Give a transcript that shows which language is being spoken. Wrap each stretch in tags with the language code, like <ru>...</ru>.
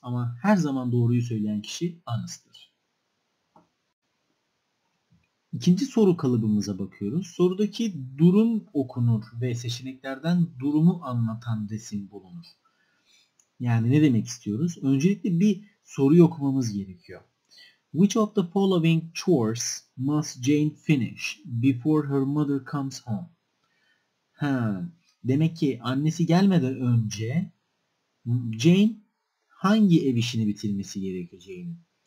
<tr>Ama her zaman doğruyu söyleyen kişi honest'tır. İkinci soru kalıbımıza bakıyoruz. Sorudaki durum okunur ve seçeneklerden durumu anlatan resim bulunur. Yani ne demek istiyoruz? Öncelikle bir soruyu okumamız gerekiyor.</tr> <en>Which of the following chores must Jane finish before her mother comes home?</en> <tr>Ha, demek ki annesi gelmeden önce Jane hangi ev işini bitirmesi gerekiyor Jane'in?</tr>